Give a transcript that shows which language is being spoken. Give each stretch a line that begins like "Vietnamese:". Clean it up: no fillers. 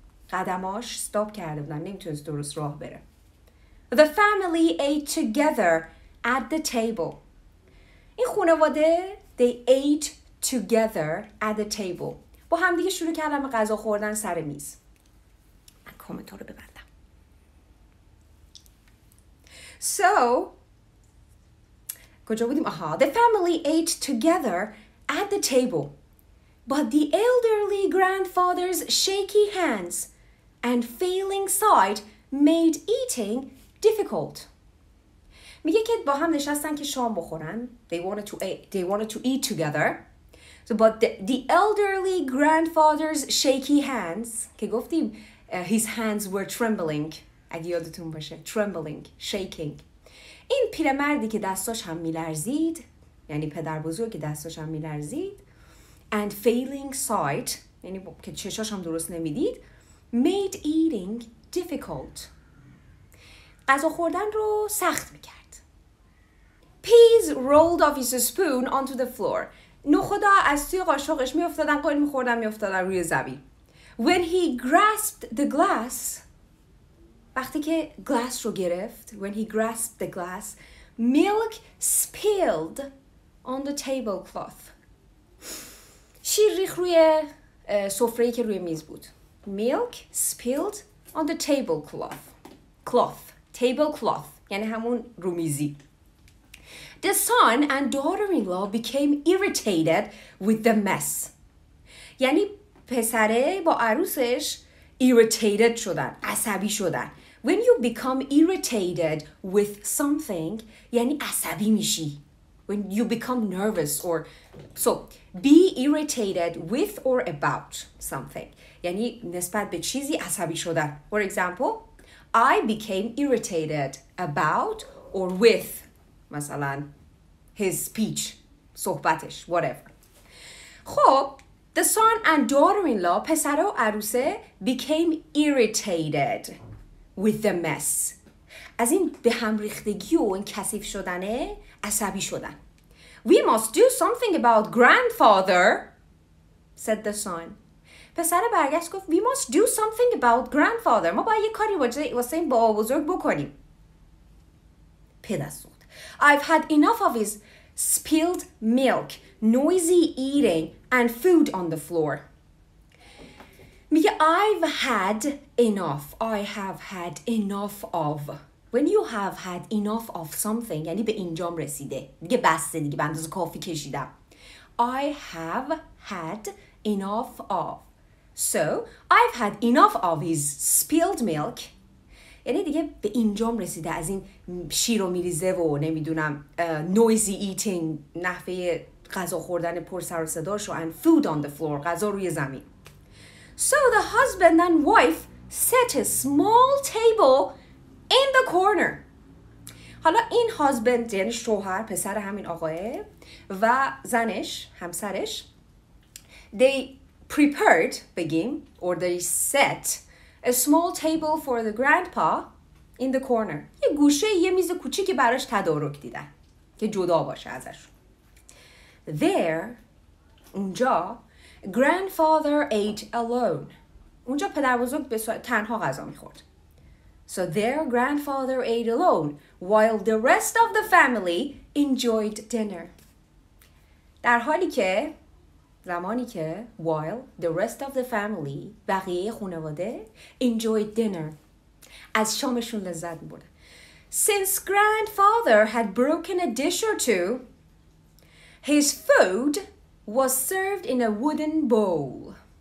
Persian: قدماش stop کرده بودن, نمیتونه درست راه بره.
English: The family ate together at the table.
Persian: این خانواده,
English: they ate together at the table.
Persian: با هم دیگه شروع کردن به غذا خوردن سر میز. من کامنتو رو ببندم.
English: So, the family ate together at the table, but the elderly grandfather's shaky hands and failing sight made eating difficult.
Persian: میگه که با هم نشستن که شام بخورن.
English: They wanted to eat together. So, but the elderly grandfather's shaky hands,
Persian: که گفتیم
English: his hands were trembling.
Persian: اگه یادتون باشه,
English: trembling, shaking.
Persian: این پیرمردی که دستاش هم میلرزید, یعنی پدر بزرگی که دستاش هم میلرزید,
English: and failing sight,
Persian: یعنی که چشاش هم درست نمیدید،
English: made eating difficult،
Persian: غذا خوردن رو سخت میکرد.
English: Peas rolled off his spoon onto the floor،
Persian: نخودا از توی قاشقش میافتادن، قایل میخوردن میافتادن روی زمین.
English: When he grasped the glass،
Persian: وقتی که گلاس رو گرفت،
English: when he grasped the glass، milk spilled on the tablecloth،
Persian: شیر ریخ روی سفره‌ای که روی میز بود.
English: Milk spilled on the tablecloth. Cloth. Tablecloth.
Persian: یعنی همون رومیزی.
English: The son and daughter-in-law became irritated with the mess.
Persian: یعنی پسره با عروسش irritated شدن. عصبی شدن.
English: When you become irritated with something،
Persian: یعنی عصبی میشی.
English: When you become nervous or... So, be irritated with or about something.
Persian: یعنی نسبت به چیزی عصبی شدن.
English: For example, I became irritated about or with مثلا his speech، صحبتش، whatever. خب، the son and daughter-in-law،
Persian: پسر و عروسه،
English: became irritated with the mess.
Persian: از این به هم ریختگی و این کثیف شدنه عصبی شدن.
English: We must do something about grandfather, said the son.
Persian: پسر برگشت گفت,
English: we must do something about grandfather.
Persian: ما باید یه کاری واسه این بابا بزرگ بکنیم. پدر سوخت.
English: I've had enough of his spilled milk, noisy eating and food on the floor. میگه I've had enough. I have had enough of.
Persian: When you have had enough of something، یعنی به انجام رسیده، دیگه بسته، دیگه به اندازه کافی کشیدم. I have had enough of. So I've had enough of his spilled milk، یعنی دیگه به انجام رسیده از این شیر و میریزه و نمیدونم
English: noisy eating،
Persian: نحوه غذا خوردن پر سر و صداش، و
English: and food on the floor،
Persian: غذا روی زمین.
English: So the husband and wife set a small table in the corner.
Persian: حالا این هازبند، یعنی شوهر، پسر همین آقایه، و زنش، همسرش،
English: they prepared، بگیم، or they set a small table for the grandpa in the corner.
Persian: یه گوشه، یه میز کوچیکی براش تدارک دیدن که جدا باشه ازش.
English: There،
Persian: اونجا،
English: grandfather ate alone.
Persian: اونجا پدر بزرگ تنها غذا میخورد.
English: So their grandfather ate alone while the rest of the family enjoyed dinner.
Persian: در حالی که زمانی که
English: while the rest of the family،
Persian: بقیه خانواده،
English: enjoyed dinner،
Persian: از شامشون لذت برد.
English: Since grandfather had broken a dish or two، his food was served in a wooden bowl.